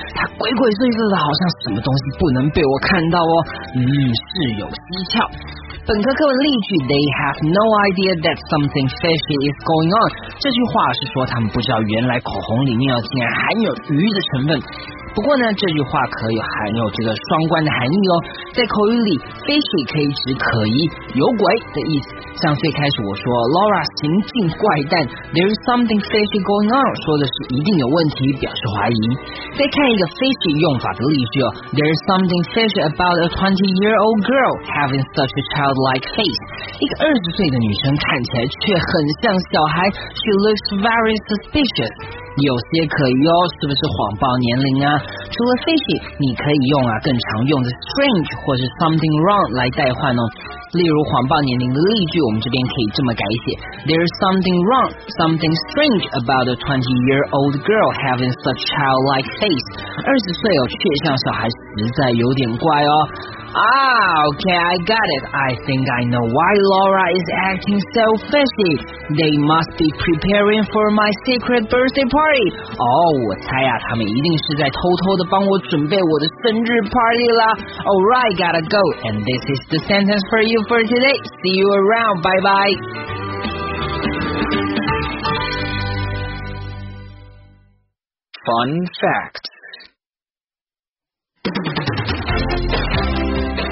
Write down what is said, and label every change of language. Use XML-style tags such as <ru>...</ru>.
<zh>她鬼鬼祟祟的，好像什么东西不能被我看到哦。事有蹊跷。本科课文例句</zh> <en>They have no idea that something fishy is going on.</en> <zh>这句话是说他们不知道原来口红里面竟然含有鱼的成分。不过呢，这句话可以含有这个双关的含义哦。在口语里 ，fishy 可以指可疑、有鬼的意思。像最开始我说 Laura 行径怪诞 ，</zh> <en>there is something fishy going on，</en> <zh>说的是一定有问题，表示怀疑。再看一个 fishy 用法的例句哦</zh> <en>，there is something fishy about a 20-year-old girl having such a childlike face。</en> <zh>一个二十岁的女生看起来却很像小孩 ，</zh> <en>she looks very suspicious。</en> <zh>有些可疑哦，是不是谎报年龄啊？除了 fishy， 你可以用啊更常用的 strange 或是 something wrong 来代换哦。例如谎报年龄的例句，我们这边可以这么改写</zh> <en>：There's something wrong, something strange about a 20-year-old girl having such childlike face。</en> <zh>二十岁哦，却像小孩，实在有点怪哦。</zh> <en>Okay, I got it. I think I know why Laura is acting so fishy. They must be preparing for my secret birthday party.</en> <zh>我猜啊，他们一定是在偷偷地帮我准备我的生日 party 啦。</zh> <en>Alright, gotta go. And this is the sentence for you for today. See you around. Bye-bye. Fun Facts. 3.</en>